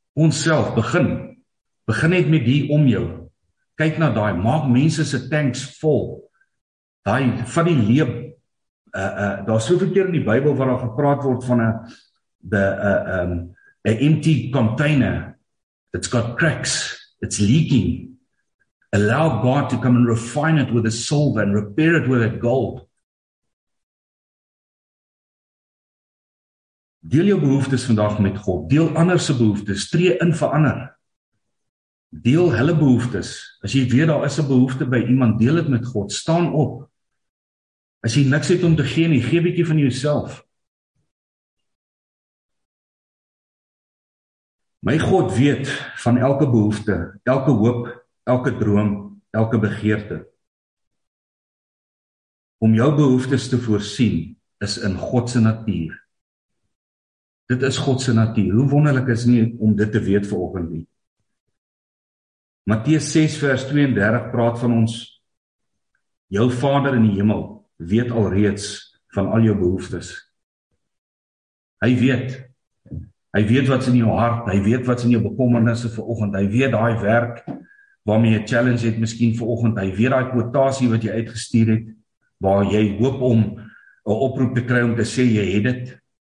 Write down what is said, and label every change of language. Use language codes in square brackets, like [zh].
[af] Ons self, begin. Begin net met die om jou. Kyk na daai, maak mense se tanks vol. Daai, van die leeb. Daar is soveel keer in die Bybel waar daar gepraat word van 'n [en] empty container. It's got cracks. It's leaking. Allow God to come and refine it with a silver and repair it with a gold. [af] Deel jou behoeftes vandag met God. Deel ander se behoeftes. Tree in vir ander. deel hulle behoeftes, as jy weet daar is 'n behoefte by iemand, deel het met God, staan op, as jy niks het om te gee nie, gee bietjie van jouself. My God weet van elke behoefte, elke hoop, elke droom, elke begeerte. Om jou behoeftes te voorsien, is in Godse natuur. Dit is Godse natuur. Hoe wonderlik is nie om dit te weet vir oggend nie. Matteus 6 vers 32 praat van ons, jou Vader in die hemel weet alreeds van al jou behoeftes. Hy weet wat's in jou hart, hy weet wat's in jou bekommernisse vir oggend, hy weet daai werk waarmee jy challenge het miskien vir oggend, hy weet daai kwotasie wat jy uitgestuur het, waar jy hoop om 'n oproep te kry om te sê jy het dit.